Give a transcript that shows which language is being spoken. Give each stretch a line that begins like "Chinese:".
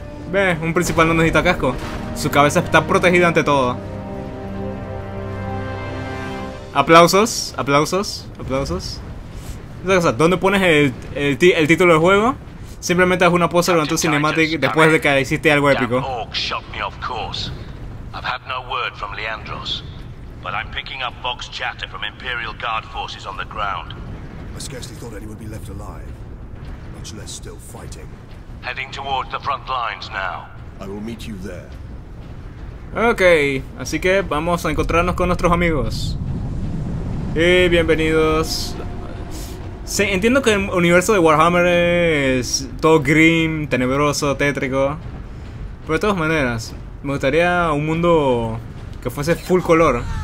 Spanish: Ve, un principal no necesita casco. Su cabeza está protegida ante todo. Aplausos, aplausos, aplausos. Esa cosa, ¿dónde pones el título del juego? Simplemente haz una pose durante un cinematic después de que hiciste algo épico.
English: Damn orc shot me, of course. I've had no word from Leandros. but I'm picking up Vox chatter from Imperial Guard forces on the ground. I scarcely thought anyone would be left alive, much less still fighting. Heading towards the front lines now. I will meet you there.
Spanish: Okay, así que vamos a encontrarnos con nuestros amigos. Y bienvenidos. Sí, entiendo que el universo de Warhammer es todo grim, tenebroso, tétrico. Pero de todas maneras, me gustaría un mundo que fuese full color.